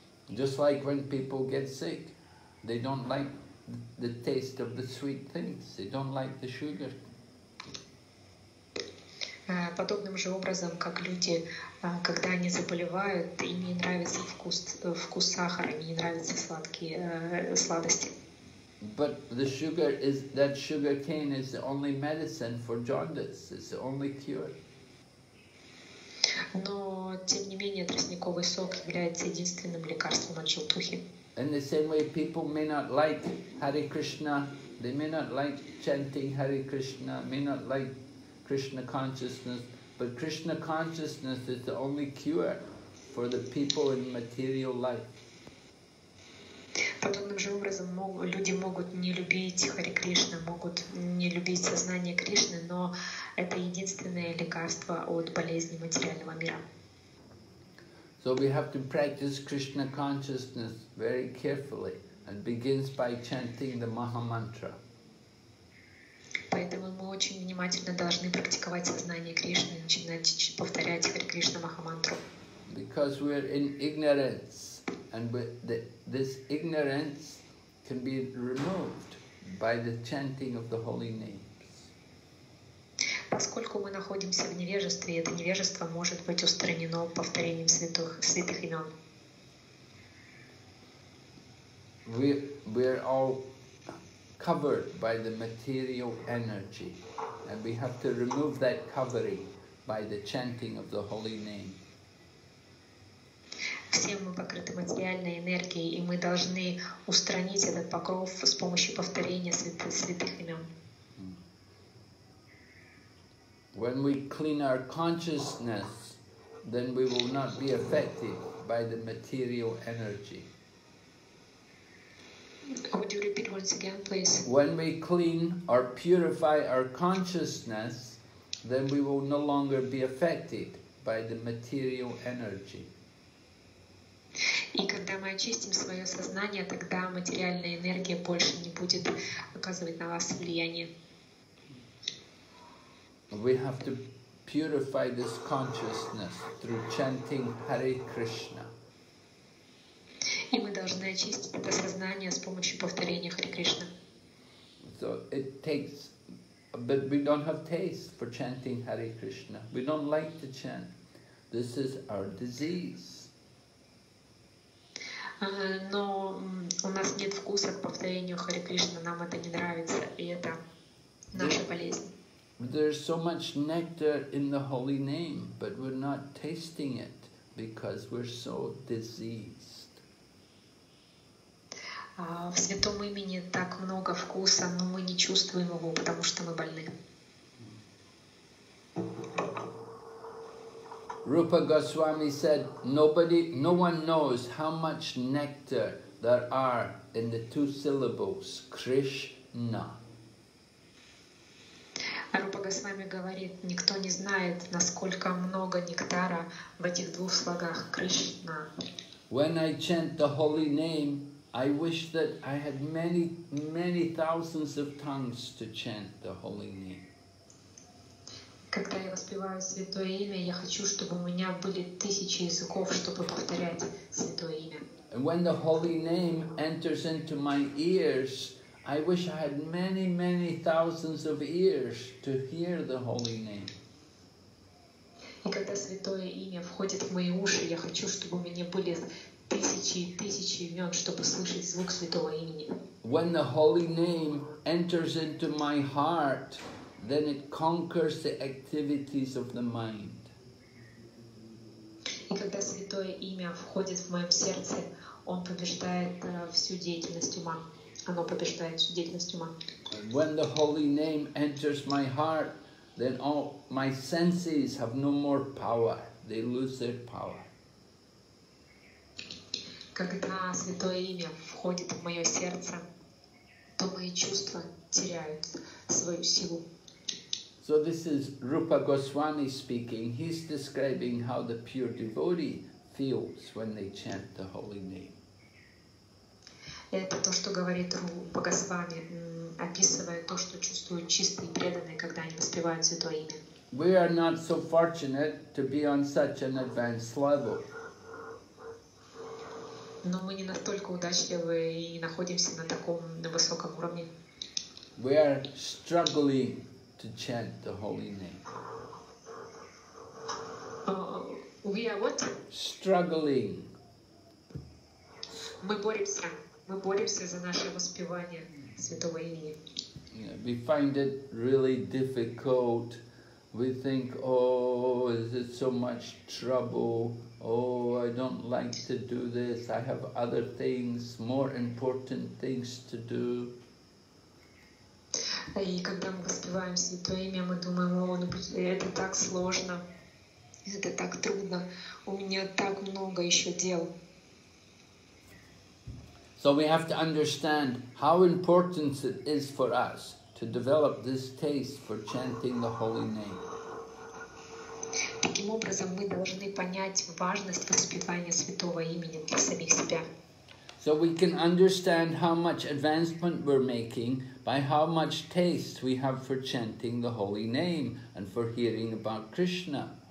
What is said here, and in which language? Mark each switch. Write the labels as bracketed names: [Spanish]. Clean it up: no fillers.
[English] Just like when people get sick, they don't like the taste of the sweet things, they don't like the sugar. [Russian] Подобным же образом, как люди, когда они заболевают, им не нравится вкус сахара, им не нравятся сладости. [English] But the sugar is, that sugar cane is the only medicine for jaundice, it's the only cure. [Russian] Но, тем не менее, тростниковый сок является единственным лекарством от желтухи. [English] In the same way, people may not like Hare Krishna, they may not like chanting Hare Krishna, may not like Krishna consciousness, but Krishna consciousness is the only cure for the people in material life. [Russian] Подобным же образом люди могут не любить Хари Кришна, могут не любить сознание Кришны, но это единственное лекарство от болезни материального мира. [English] So we have to practice Krishna consciousness very carefully and begins by chanting the Maha Mantra. [Russian] Поэтому мы очень внимательно должны практиковать сознание Кришны, начинать повторять Хари Кришна Маха Мантру. [English] Because we are in ignorance. And this ignorance can be removed by the chanting of the holy names. [Russian] Поскольку мы находимся в невежестве, это невежество может быть устранено повторением святых имен. [English] We are all covered by the material energy, and we have to remove that covering by the chanting of the holy name. [Russian] Все мы покрыты материальной энергией, и мы должны устранить этот покров с помощью повторения святых имен. [English] When we clean our consciousness, then we will not be affected by the material energy. Would you repeat once again, please? When we clean or purify our consciousness, then we will no longer be affected by the material energy. [Russian] И когда мы очистим свое сознание, тогда материальная энергия больше не будет оказывать на вас влияние. [English] We have to purify this consciousness through chanting Hare Krishna. [Russian] И мы должны очистить это сознание с помощью повторения Хари Кришна. [English] So it takes, but we don't have taste for chanting Hare Krishna. We don't like to chant. This is our disease. [Russian] Но у нас нет вкуса к повторению Хари Кришна, нам это не нравится, и это наша болезнь. [English] There's so much nectar in the holy name, but we're not tasting it because we're so diseased. [Russian] В святом имени так много вкуса, но мы не чувствуем его, потому что мы больны. [English] Rupa Goswami said, "Nobody, no one knows how much nectar there are in the two syllables Krishna." [Russian] Rupa Goswami говорит, никто не знает, насколько много нектара в этих двух слогах Krishna. [English] When I chant the holy name, I wish that I had many, many thousands of tongues to chant the holy name. [Russian] Когда я воспеваю святое имя, я хочу, чтобы у меня были тысячи языков, чтобы повторять святое имя. [English] And when the holy name enters into my ears, I wish I had many, many thousands of ears to hear the holy name. [Russian] И когда святое имя входит в мои уши, я хочу, чтобы у меня были тысячи и тысячи имен, чтобы слышать звук святого имени. [English] When the holy name enters into my heart, then it conquers the activities of the mind. [Russian] И когда святое имя входит в моё сердце, он побеждает всю деятельность ума. Оно побеждает всю деятельность ума. [English] When the holy name enters my heart, then all my senses have no more power. They lose their power. [Russian] Когда святое имя входит в моё сердце, то мои чувства теряют свою силу. [English] So this is Rupa Goswami speaking. He's describing how the pure devotee feels when they chant the holy name. [Russian] Это то, что говорит Рупа Госвами, описывая то, что чувствуют чистые преданные, когда они воспевают Святое Имя. [English] We are not so fortunate to be on such an advanced level. [Russian] Но мы не настолько удачливы и находимся на таком на высоком уровне. [English] We are struggling to chant the holy name. We are what? Struggling. [Russian] Мы боремся. Мы боремся за наше воспевание Святого Имени. [English] Yeah, we find it really difficult. We think, oh, is it so much trouble? Oh, I don't like to do this. I have other things, more important things to do. [Russian] И когда мы воспеваем Святое Имя, мы думаем, о, ну, это так сложно, это так трудно. У меня так много еще дел. [English] So we have to understand how important it is for us to develop this taste for chanting the holy name. [Russian] Таким образом, мы должны понять важность воспевания Святого Имени для самих себя. [English] So we can understand how much advancement we're making by how much taste we have for chanting the holy name and for hearing about Krishna.